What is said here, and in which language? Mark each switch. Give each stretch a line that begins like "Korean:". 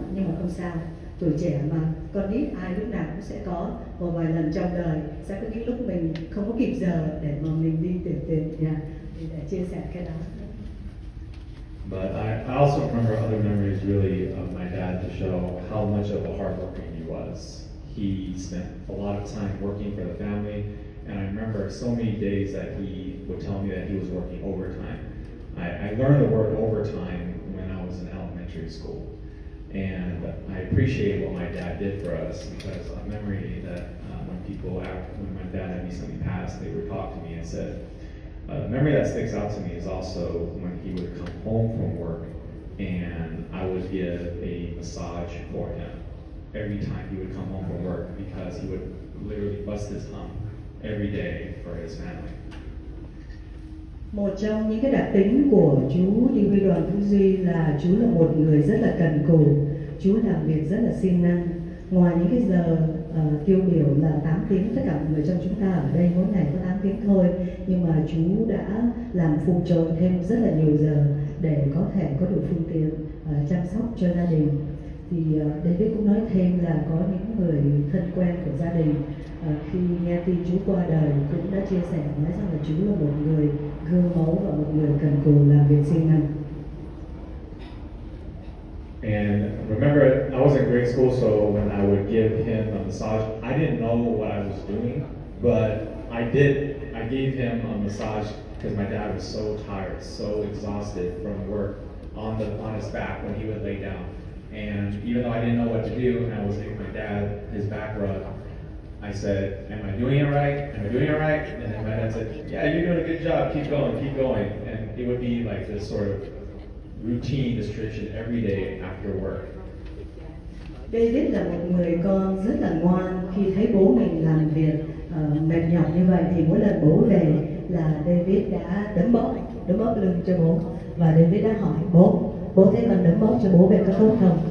Vietnamese: Nhưng mà không sao, tuổi trẻ mà, con nít ai lúc nào cũng sẽ có một vài lần trong đời sẽ có những lúc mình không có kịp giờ để mà mình đi tiểu tiện nha. Mình đã chia sẻ cái đó.
English: But I also remember other memories really of my dad to show how much of a hard worker he was. He spent a lot of time working for the family, and I remember so many days that he would tell me that he was working overtime. I learned the word overtime when I was in elementary school, and I appreciate what my dad did for us, because a memory that when my dad had recently passed, they would talk to me and said, the memory that sticks out to me is also when he would come home from work and I would give a massage for him every time he would come home from work, because he would literally bust his hump every day for his family.
Vietnamese: Một trong những cái đặc tính của chú Đinh Huy Đoàn Thu Duy là chú là một người rất là cần cù, chú làm việc rất là siêng năng. Ngoài những cái giờ tiêu biểu là 8 tiếng, tất cả mọi người trong chúng ta ở đây mỗi ngày có 8 tiếng thôi, nhưng mà chú đã làm phụ trợ thêm rất là nhiều giờ để có thể có đủ phương tiện chăm sóc cho gia đình. Thì David cũng nói thêm là có những người thân quen của gia đình khi nghe tin chú qua đời cũng đã chia sẻ, nói rằng là chú là một người gương mẫu và một người cần cù làm việc siêng năng.
English: And remember, I was in grade school, so when I would give him a massage, I didn't know what I was doing, but I gave him a massage because my dad was so tired, so exhausted from work on his back when he would lay down. And even though I didn't know what to do, and I was giving my dad his back rub, I said, am I doing it right? Am I doing it right? And then my dad said, yeah, you're doing a good job. Keep going, keep going. And it would be like this sort of routine, this tradition every day after work.
Vietnamese: David là một người con rất là ngoan. Khi thấy bố mình làm việc mệt nhọc như vậy thì mỗi lần bố về là David đã đấm bóp lưng cho bố. Và David đã hỏi bố, bố thấy con đấm bóp cho bố về có tốt không?